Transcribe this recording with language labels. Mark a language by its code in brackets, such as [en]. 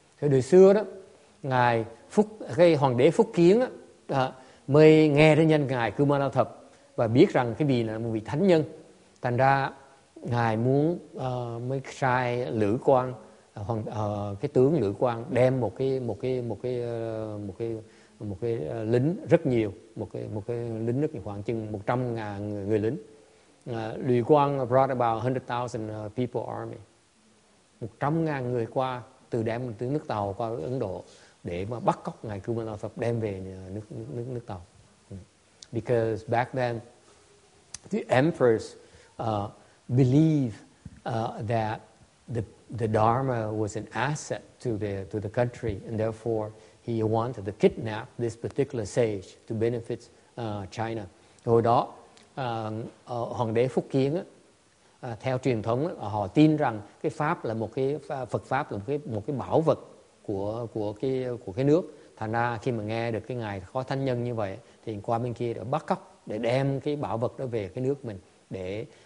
[vi] Thời đời xưa đó, ngài Phúc, cái hoàng đế Phúc Kiến á, mới nghe đến nhân ngài Kumara Thập và biết rằng cái vị là một vị thánh nhân, thành ra ngài muốn mới sai Lữ Quang, hoàng cái tướng Lữ Quang đem một cái lính rất nhiều, một cái lính rất nhiều, khoảng chừng 100,000 người lính. [en] Lữ Quang brought about 100,000 people army. [vi] 100,000 người qua từ đem từ nước Tàu qua Ấn Độ để mà bắt cóc ngài Kumara Thập đem về nước Tàu. [en] Because back then the emperors believe that the Dharma was an asset to the country, and therefore he wanted to kidnap this particular sage to benefit China. [vi] Hồi đó hoàng đế Phúc Kiến theo truyền thống họ tin rằng cái pháp là một cái Phật pháp là một cái bảo vật của cái nước. Thành ra khi mà nghe được cái ngài có thánh nhân như vậy thì qua bên kia để bắt cóc để đem cái bảo vật đó về cái nước mình để